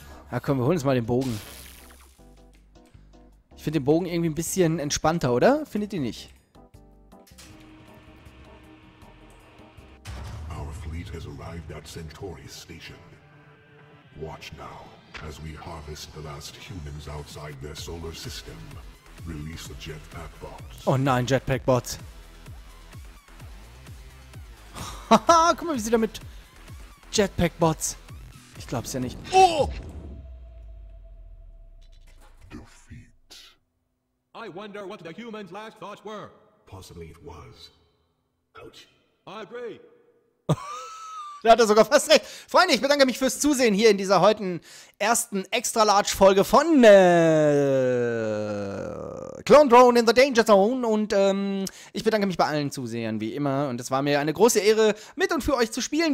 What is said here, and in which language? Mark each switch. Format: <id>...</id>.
<de>Ja, komm, wir holen uns mal den Bogen. Ich finde den Bogen irgendwie ein bisschen entspannter, oder? Findet ihr nicht?</de> <en>Our fleet has arrived at Centaurus Station. Watch now, as we harvest the last humans outside their solar system. Release the jetpack bots.</en> <de>Oh nein, jetpack bots. Haha, guck mal, wie sie damit Jetpack-Bots. Ich glaub's ja nicht. Oh!</de> <en>Defeat. I wonder what the human's last thoughts were. Possibly it was. Ouch. I agree.</en> <de>Da hat er sogar fast recht. Freunde, ich bedanke mich fürs Zusehen hier in dieser heutigen ersten Extra-Large-Folge von Clone Drone in the Danger Zone. Und ich bedanke mich bei allen Zusehern, wie immer. Und es war mir eine große Ehre, mit und für euch zu spielen.</de>